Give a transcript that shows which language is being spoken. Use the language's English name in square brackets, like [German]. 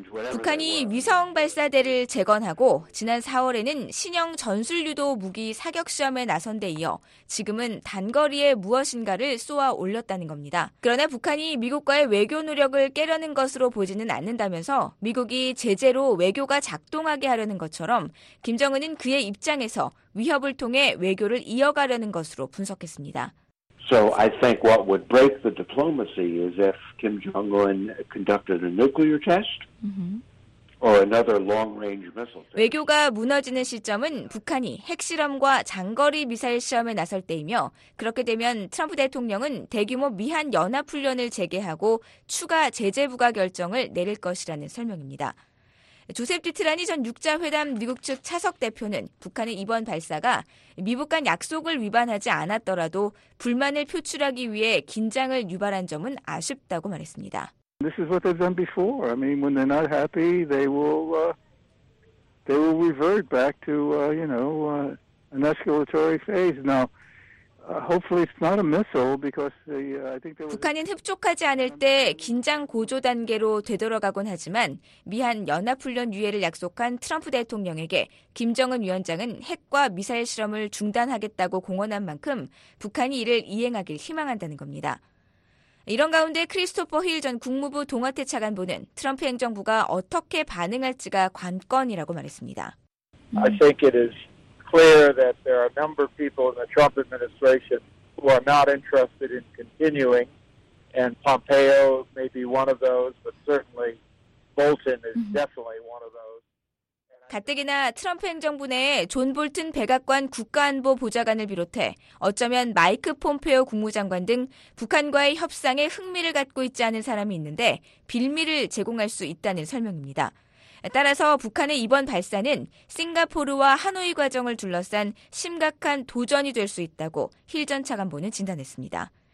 [Korean] 북한이 위성 발사대를 재건하고 지난 4월에는 신형 전술유도 무기 사격시험에 나선 데 이어 지금은 단거리에 무엇인가를 쏘아 올렸다는 겁니다. 그러나 북한이 미국과의 외교 노력을 깨려는 것으로 보지는 않는다면서 미국이 제재로 외교가 작동하게 하려는 것처럼 김정은은 그의 입장에서 위협을 통해 외교를 이어가려는 것으로 분석했습니다. [English] So I think what would break the diplomacy is if Kim Jong-un conducted a nuclear test or another long-range missile test. [Korean] 외교가 무너지는 시점은 북한이 핵실험과 장거리 미사일 시험에 나설 때이며 그렇게 되면 트럼프 대통령은 대규모 미한 연합훈련을 재개하고 추가 제재 부과 결정을 내릴 것이라는 설명입니다. 조셉 디트라니 전 6자회담 미국 측 차석 대표는 북한의 이번 발사가 미북 간 약속을 위반하지 않았더라도 불만을 표출하기 위해 긴장을 유발한 점은 아쉽다고 말했습니다. [English] This is what they've done before. I mean, when they're not happy, they will revert back to an escalatory phase. Now, hopefully it's not a missile because I think there was [Korean] 북한은 흡족하지 않을 때 긴장 고조 단계로 되돌아가곤 하지만 미한 연합훈련 유예를 약속한 트럼프 대통령에게 김정은 위원장은 핵과 미사일 실험을 중단하겠다고 공언한 만큼 북한이 이를 이행하길 희망한다는 겁니다. 이런 가운데 크리스토퍼 힐 전 국무부 동아태 차관보는 트럼프 행정부가 어떻게 반응할지가 관건이라고 말했습니다. [English] I think it is clear that there are a number of people in the Trump administration who are not interested in continuing, and Pompeo may be one of those, but certainly Bolton is definitely one of those. [Korean] 가뜩이나 트럼프 행정부 내에 존 볼튼 백악관 국가안보 보좌관을 비롯해 어쩌면 마이크 폼페오 국무장관 등 북한과의 협상에 흥미를 갖고 있지 않은 사람이 있는데 빌미를 제공할 수 있다는 설명입니다. 따라서 북한의 이번 발사는 싱가포르와 하노이 과정을 둘러싼 심각한 도전이 될 수 있다고 힐 전 차관보는 진단했습니다.